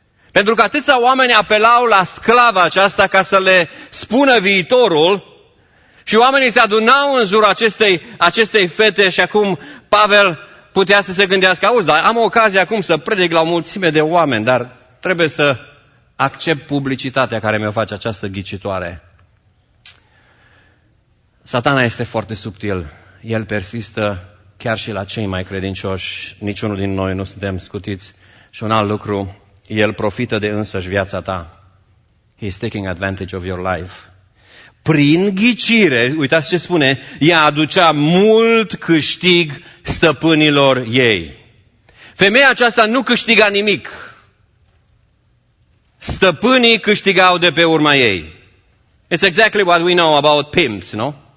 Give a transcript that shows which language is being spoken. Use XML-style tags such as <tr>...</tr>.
<ro>Pentru că atâția oameni apelau la sclava aceasta ca să le spună viitorul și oamenii se adunau în jurul acestei fete și acum Pavel putea să se gândească, auzi, dar am ocazia acum să predic la o mulțime de oameni, dar trebuie să accept publicitatea care mi-o face această ghicitoare. Satana este foarte subtil, el persistă chiar și la cei mai credincioși, niciunul din noi nu suntem scutiți. Și un alt lucru, el profită de însăși viața ta.</ro> <en>He is taking advantage of your life.</en> <ro>Prin ghicire, uitați ce spune, ea aducea mult câștig stăpânilor ei. Femeia aceasta nu câștiga nimic. Stăpânii câștigau de pe urma ei.</ro> <en>It's exactly what we know about pimps, no?</en>